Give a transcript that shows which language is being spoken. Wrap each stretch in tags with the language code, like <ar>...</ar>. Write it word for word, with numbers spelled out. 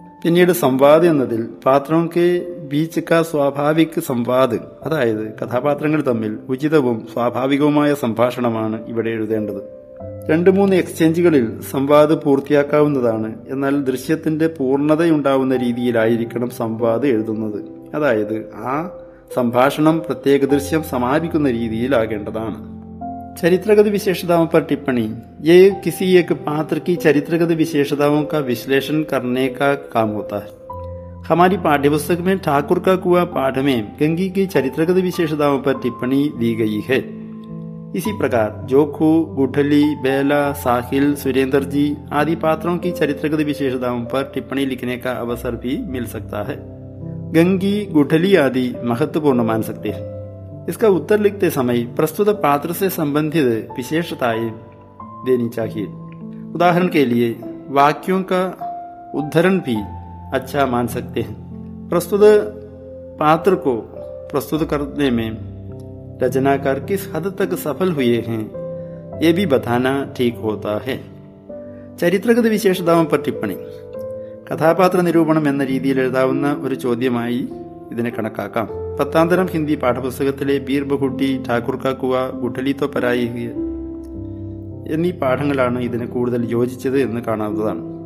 <ml>പിന്നീട് സംവാദ് എന്നതിൽ</ml> <hi>പാത്രം കെ ബീച്ച് കാ സ്വാഭാവിക് സംവാദ്</hi> <ml>അതായത് കഥാപാത്രങ്ങൾ തമ്മിൽ ഉചിതവും സ്വാഭാവികവുമായ സംഭാഷണമാണ് ഇവിടെ എഴുതേണ്ടത്. രണ്ട് മൂന്ന് എക്സ്ചേഞ്ചുകളിൽ സംവാദ് പൂർത്തിയാക്കാവുന്നതാണ്. എന്നാൽ ദൃശ്യത്തിന്റെ പൂർണ്ണതയുണ്ടാവുന്ന രീതിയിലായിരിക്കണം സംവാദ് എഴുതുന്നത്. അതായത് ആ സംഭാഷണം പ്രത്യേക ദൃശ്യം സമാപിക്കുന്ന രീതിയിലാകേണ്ടതാണ്.</ml> <hi>चरित्रगत विशेषताओं पर टिप्पणी. ये किसी एक पात्र की चरित्रगत विशेषताओं का विश्लेषण करने का काम होता है. हमारी पाठ्यपुस्तक में ठाकुर का कुआ पाठ में गंगी की चरित्रगत विशेषताओं पर टिप्पणी दी गई है। इसी प्रकार जोखू, गुठली, बेला, साहिल, सुरेंद्र जी आदि पात्रों की चरित्रगत विशेषताओं पर टिप्पणी लिखने का अवसर भी मिल सकता है। गंगी, गुठली आदि महत्वपूर्ण मान सकते हैं। इसका उत्तर लिखते समय प्रस्तुत पात्र से संबंधित विशेषताएं देनी चाहिए। उदाहरण के लिए वाक्यों का उद्धरण भी अच्छा मान सकते हैं। प्रस्तुत पात्र को प्रस्तुत करने में रचनाकार किस हद तक सफल हुए हैं ये भी बताना ठीक होता है। ചരിത്രഗത വിശേഷതാവും पर टिप्पणी</hi> <ml>കഥാപാത്ര നിരൂപണം എന്ന രീതിയിൽ എഴുതാവുന്ന ഒരു ചോദ്യമായി ഇതിനെ കണക്കാക്കാം. പത്താംതരം ഹിന്ദി പാഠപുസ്തകത്തിലെ ബീർ ബഹുട്ടി, ഠാക്കുർ കാ കുവ, ഗുഠലിത്തോ പരായി എന്നീ പാഠങ്ങളാണ് ഇതിന് കൂടുതൽ യോജിച്ചത് എന്ന് കാണാവുന്നതാണ്.</ml>